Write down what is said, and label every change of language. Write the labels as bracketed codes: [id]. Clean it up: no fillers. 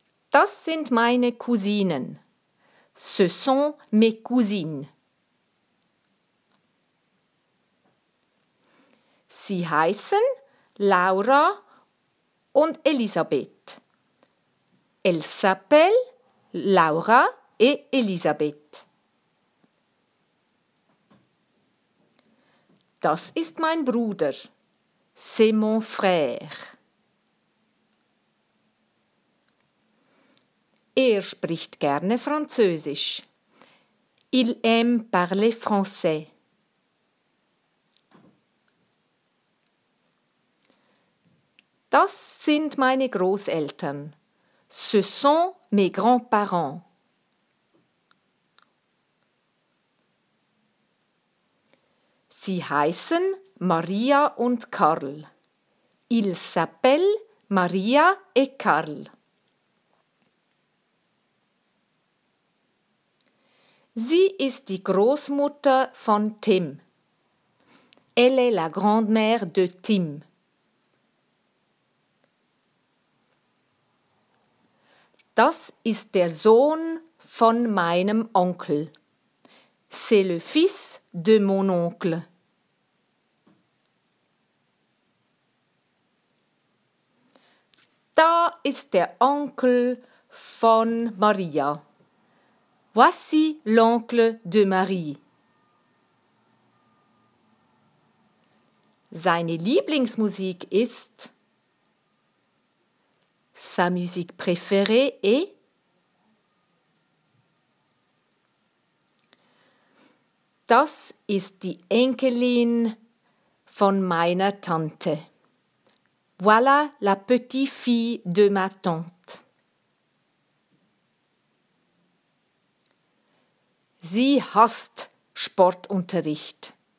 [de] Das sind meine Cousinen. [fr] Ce sont mes cousines. [de] Sie heißen Laura und Elisabeth. [fr] Elle s'appelle Laura et Elisabeth. [de] Das ist mein Bruder. [fr] C'est mon frère. [de] Er spricht gerne Französisch. [fr] Il aime parler français. [de] Das sind meine Großeltern. [fr] Ce sont mes grands-parents. [de] Sie heißen Maria und Karl. [fr] Ils s'appellent Maria et Karl. [de] Sie ist die Großmutter von Tim. [fr] Elle est la grand-mère de Tim. [de] Das ist der Sohn von meinem Onkel. [fr] C'est le fils de mon oncle. [de] Da ist der Onkel von Maria. [fr] Voici l'oncle de Marie. [de] Seine Lieblingsmusik ist... [fr] Sa musique préférée est... [de] Das ist die Enkelin von meiner Tante. [fr] Voilà la petite fille de ma tante. [de] Sie hasst Sportunterricht.